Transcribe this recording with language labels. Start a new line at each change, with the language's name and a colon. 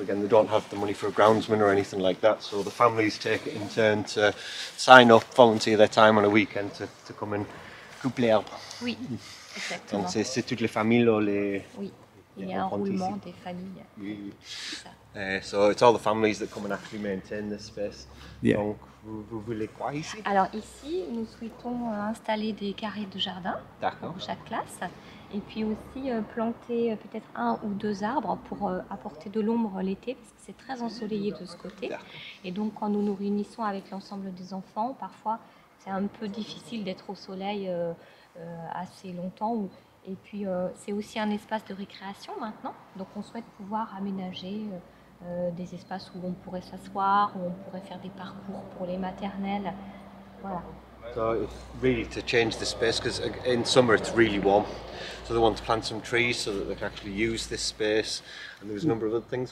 English: Again, they don't have the money for a groundsman or anything like that, so the families take it in turn to sign up, volunteer their time on a weekend to come and
French: coupe les herbes. Oui, exactement. Donc c'est toutes les familles ou les... Oui. Yeah, yeah.
English: So it's all the families that come and actually maintain this space. Yeah.
French: Donc, vous voulez quoi ici? Alors ici, nous souhaitons installer des carrés de jardin, d'accord, pour chaque classe, et puis aussi planter peut-être un ou deux arbres pour apporter de l'ombre l'été, parce que c'est très ensoleillé de ce côté. D'accord. Et donc, quand nous nous réunissons avec l'ensemble des enfants, parfois, c'est un peu difficile d'être au soleil assez longtemps. Et puis, c'est aussi un espace de récréation maintenant. Donc, on souhaite pouvoir aménager des espaces où on pourrait s'asseoir, où on pourrait faire des parcours pour les maternelles. Voilà.
English: So, really to change the space, because in summer it's really warm. So, they want to plant some trees so that they can actually use this space. And there was a number of other things.